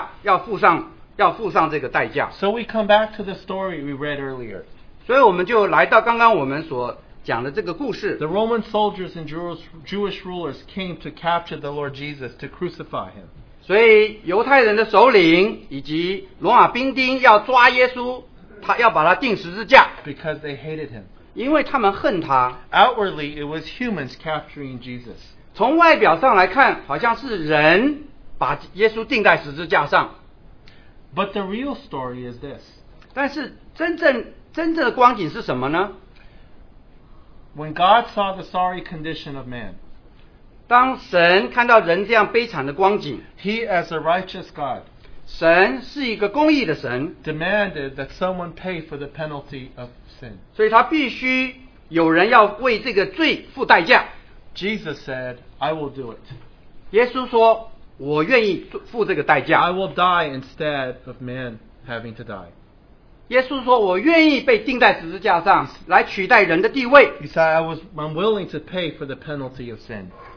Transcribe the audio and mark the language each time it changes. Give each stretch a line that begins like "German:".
Chinese: 有一个人必须要为这个罪的代价要付上这个代价。
English: So we come back to the story we read earlier.
Chinese: 所以我们就来到刚刚我们所
English: The Roman soldiers and Jewish rulers came to capture the Lord Jesus to crucify him.
Chinese: 所以犹太人的首领以及罗马兵丁要抓耶稣，他要把他钉十字架。
English: Because they hated him.
Chinese: 因为他们恨他。
English: Outwardly, it was humans capturing Jesus.
Chinese: 从外表上来看，好像是人把耶稣钉在十字架上。
English: But the real story is this.
Chinese: 但是真正的光景是什么呢？
English: When God saw the sorry condition of man,
Chinese: 当神看到人这样悲惨的光景,
English: He as a righteous God,
Chinese: 神是一个公义的神,
English: demanded that someone pay for the penalty of sin.
Chinese: 所以他必须有人要为这个罪付代价。
English: Jesus said, I will do it.
Chinese: 耶稣说,我愿意付这个代价。
English: I will die instead of man having to die.
Chinese: 耶稣说,我愿意被钉在十字架上,来取代人的地位。
English: He said, I'm willing to pay for the penalty of sin.